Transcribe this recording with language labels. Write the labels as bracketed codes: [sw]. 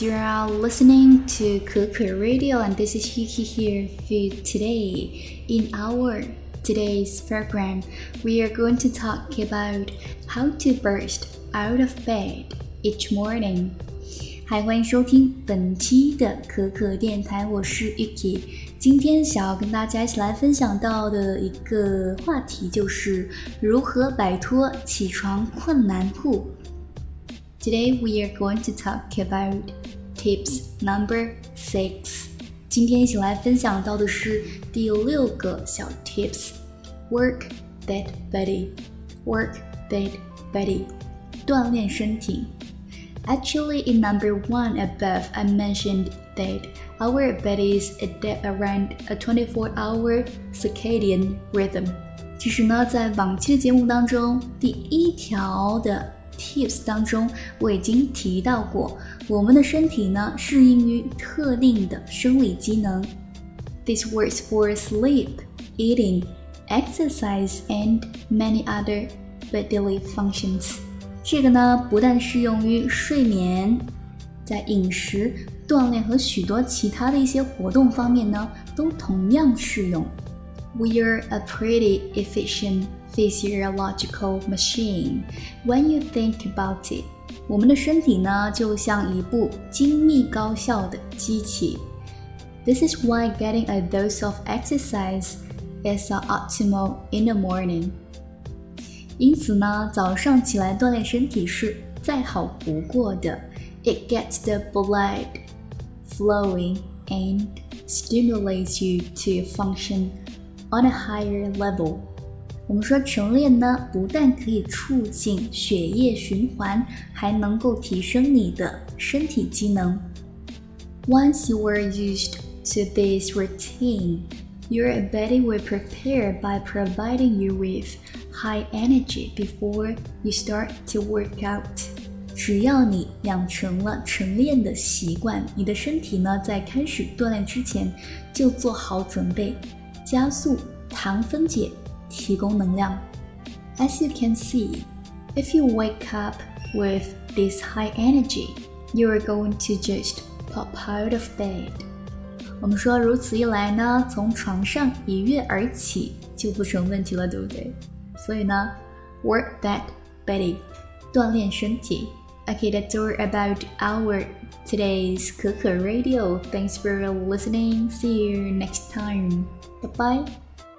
[en] You are listening to Kuku Radio, and this is Yuki here for you today. In our today's program, we are going to talk about how to burst out of bed each morning. [zh] 欢迎收听本期的可可电台，我是 Yuki。今天想要跟大家一起来分享到的一个话题就是如何摆脱起床困难户。 [en] Today we are going to talk about tips number 6. [zh] 今天一起来分享到的是第六个小 tips. [en] Work that body. Work that body. [zh] 锻炼身体。 [en] Actually, in number 1 above, I mentioned that our bodies adapt around a 24-hour circadian rhythm. [zh] 其实呢，在往期的节目当中，第一条的Tips 当中我已经提到过，我们的身体呢适应于特定的生理机能。 [en] This works for sleep, eating, exercise and many other bodily functions. [zh] 这个呢不但适用于睡眠，在饮食、锻炼和许多其他的一些活动方面呢都同样适用。 [en] We are a pretty efficientphysiological machine. When you think about it, [zh] 我们的身体呢就像一部精密高效的机器。 [en] This is why getting a dose of exercise is optimal in the morning. [zh] 因此呢早上起来锻炼身体是再好不过的。 [en] It gets the blood flowing and stimulates you to function on a higher level. [zh] 我们说晨练呢不但可以促进血液循环，还能够提升你的身体机能。 [en] Once you are used to this routine, your body will prepare by providing you with high energy before you start to work out. [zh] 只要你养成了晨练的习惯，你的身体呢在开始锻炼之前就做好准备，加速糖分解提供能量。 [en] As you can see, if you wake up with this high energy, you are going to just pop out of bed. [zh] 我们说如此一来呢，从床上一跃而起就不成问题了，对不对？所以呢 [en] work that body, [zh] 锻炼身体。 [en] Okay, that's all about our today's 可可 Radio. Thanks for listening. See you next time. Bye bye.